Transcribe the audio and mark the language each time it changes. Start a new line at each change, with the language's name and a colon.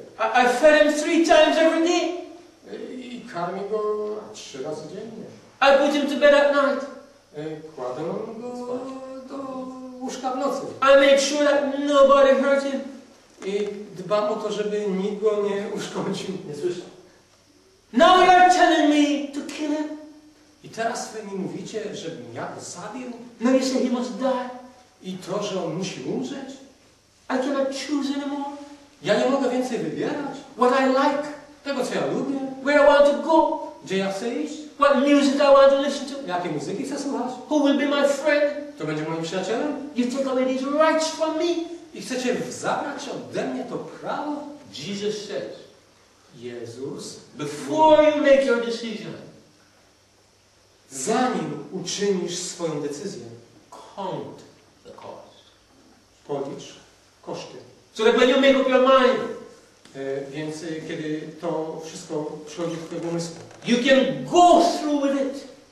English: I fed him three times every day.
Polish: I karmię go trzy razy dziennie.
English: I put him to bed at night.
Polish: Kładę go do łóżka w nocy.
English: I make sure that nobody hurt him.
Polish: I dbam o to, żeby nikt go nie uszkodził. Nie słyszę.
English: Now you're telling me to kill him.
Polish: I teraz wy mi mówicie, żebym ja go zabił.
English: No you say he must die.
Polish: I to, że on musi umrzeć.
English: I cannot choose anymore.
Polish: Ja nie mogę więcej wybierać.
English: What I like.
Polish: Tego, co ja lubię.
English: Where I want to go.
Polish: Gdzie ja chcę iść.
English: What music I want to listen to.
Polish: Jakie muzyki chcę słuchać.
English: Who will be my friend.
Polish: To będzie moim przyjacielem.
English: You take away these rights from me.
Polish: I chcecie zabrać ode mnie to prawo?
English: Jesus said.
Polish: Jezus.
English: Before you make your decision.
Polish: Zanim uczynisz swoją decyzję.
English: Count the cost.
Polish: Policz koszty.
English: So that when you make up your mind.
Polish: Więc kiedy to wszystko przychodzi do twojego umysłu.
English: You can go through with it.